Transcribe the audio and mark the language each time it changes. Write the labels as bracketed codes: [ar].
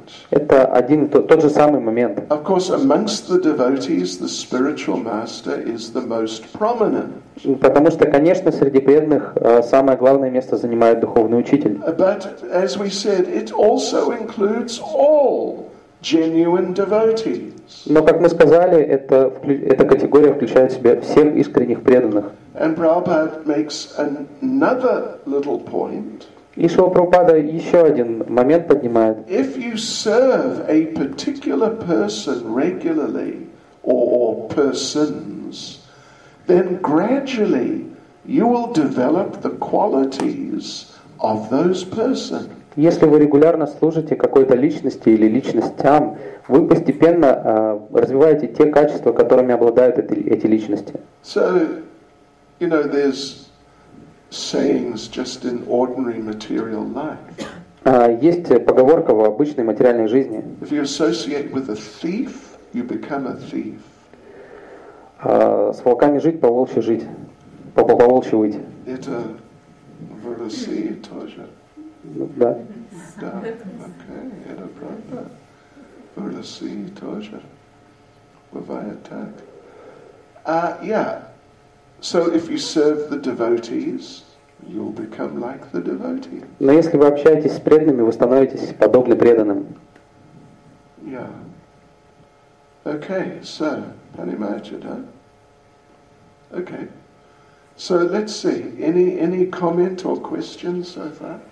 [ru] Это один тот же самый момент. [en] Of course, amongst the devotees, the spiritual master is the most prominent. [ru] Потому что, конечно, среди преданных самое главное место занимает духовный учитель. [en] But as we said, it also includes all genuine devotees. [ru] Но, как мы сказали, эта категория включает в себя всех искренних преданных. [en] And Prabhupada makes another little point. [ru] И Шрила Прабхупада еще один момент поднимает. [en] If you serve a particular person regularly or persons, then gradually you will develop the qualities of those persons. [ru] Если вы регулярно служите какой-то личности или личностям, вы постепенно развиваете те качества, которыми обладают эти личности. [en] So, you know, there's sayings just in ordinary material life. [ru] Есть поговорка в обычной материальной жизни. [en] If you associate with a thief, you become a thief. [ru] С волками жить, по волчьи жить. По волчьи выйти. Это в России тоже. Да. Да, окей, это правда. В России тоже. Бывает так. [en] So if you serve the devotees, you'll become like the devotee. [ru] Но если вы общаетесь с преданными, вы становитесь подобны преданным. [en] Yeah. Okay, so, [ru] понимаете, да? [en] Okay. So let's see. Any comment or questions so far?